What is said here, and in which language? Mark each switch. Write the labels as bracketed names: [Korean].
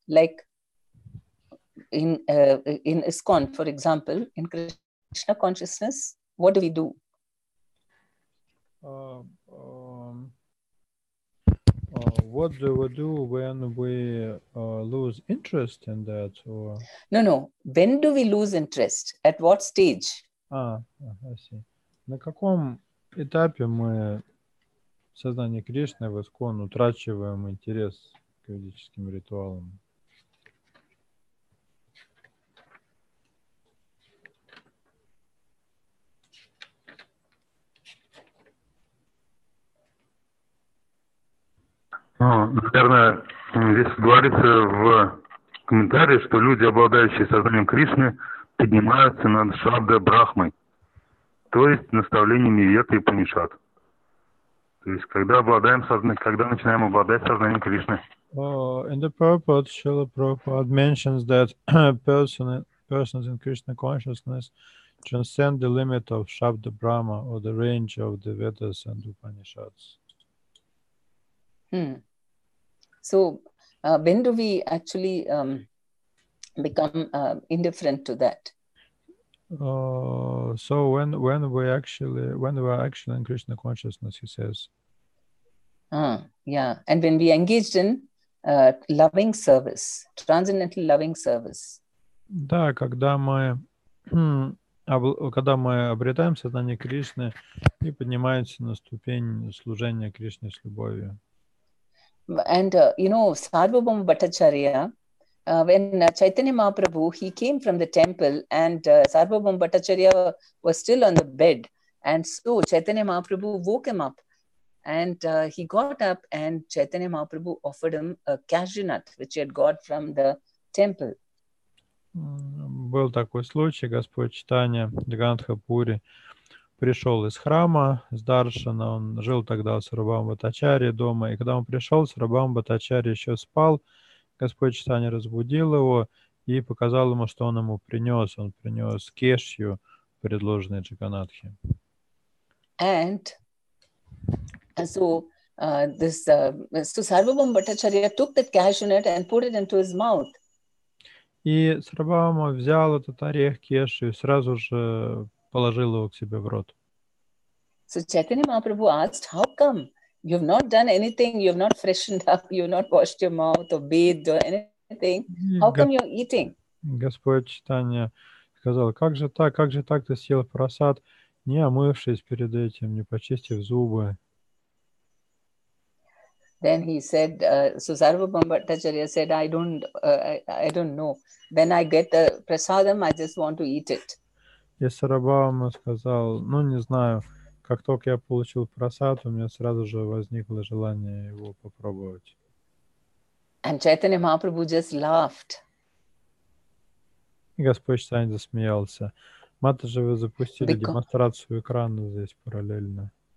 [English] Like in ISKCON, for example, in Krishna consciousness, what do we do? What do we do when we lose interest in that? Or no. When do we lose interest? At what stage? I see. [Russian] На каком этапе мы в сознании Кришны в Искон утрачиваем интерес к ведическим ритуалам? Наверное, здесь говорится в комментарии, что люди, обладающие сознанием Кришны, поднимаются над Шабда Брахмой, то есть наставлениями Веды и Панишат. То есть, когда обладаем сознанием, когда начинаем обладать сознанием Кришны. [English] In the purport, Srila Prabhupada mentions that persons in Krishna consciousness transcend the limit of Shabda Brahma or the range of the Vedas and Upanishads. So, when do we actually become indifferent to that? So, when we are actually in Krishna consciousness, he says. And when we engaged in loving service, transcendental loving service. [Russian] Да, когда мы обретаем сознание Кришны и поднимаемся на ступень служения Кришне с любовью. [English] And, you know, Sarvabhaum Bhattacharya, when Chaitanya Mahaprabhu, he came from the temple and Sarvabhaum Bhattacharya was still on the bed. And so Chaitanya Mahaprabhu woke him up and he got up and Chaitanya Mahaprabhu offered him a cashew nut, which he had got from the temple. [Russian] Был такой случай, Господь Чайтанья Джаганнатхапури пришел из храма, с даршана, он жил тогда с Сарвабхаумом Бхаттачарьей дома, и когда он пришел, Сарвабхаум Бхаттачарья еще спал, Господь Чайтанья разбудил его и показал ему, что он ему принес, кешью, предложенной Джаганнатхи. [English] And so, Сарвабхаум Бхаттачарья took that cashew nut and put it into his mouth. [Russian] И Сарвабхаум взял этот орех кешью и сразу же положил его к себе в рот. [English] So Chaitanya Mahaprabhu asked, how come you have not done anything, you have not freshened up, you have not washed your mouth or bathed or anything? How come you're eating? [Russian] Господь Чайтанья сказал, как же так ты съел прасад, не омывшись перед этим, не почистив зубы? [English] Then he said, Sarvabhaum Bhattacharya said, I don't know. When I get the prasadam, I just want to eat it. [Russian] И Сарабхаума сказал, не знаю, как только я получил прасад, у меня сразу же возникло желание его попробовать. [English] And Chaitanya Mahaprabhu just laughed. [Russian] И Господь Чайтанья засмеялся. Матаджи, вы запустили демонстрацию экрана здесь параллельно.